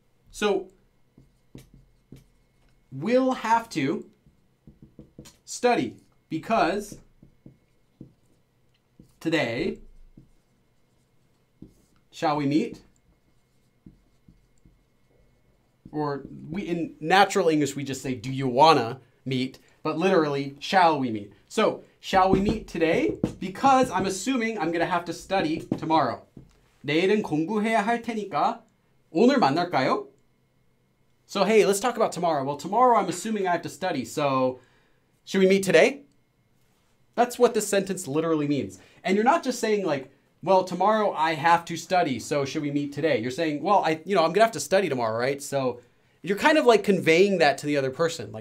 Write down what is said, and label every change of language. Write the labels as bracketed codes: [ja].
[en] So we'll have to study because today, shall we meet? Or we in natural English, we just say, do you wanna meet? But literally, shall we meet? So, shall we meet today? Because I'm assuming I'm gonna have to study tomorrow. [ko] 내일은 공부해야 할 테니까 오늘 만날까요? [en] So, hey, let's talk about tomorrow. Well, tomorrow I'm assuming I have to study. So, should we meet today? That's what this sentence literally means. And you're not just saying like, well, tomorrow I have to study, so should we meet today? You're saying, well, I'm gonna have to study tomorrow, right? So you're kind of like conveying that to the other person.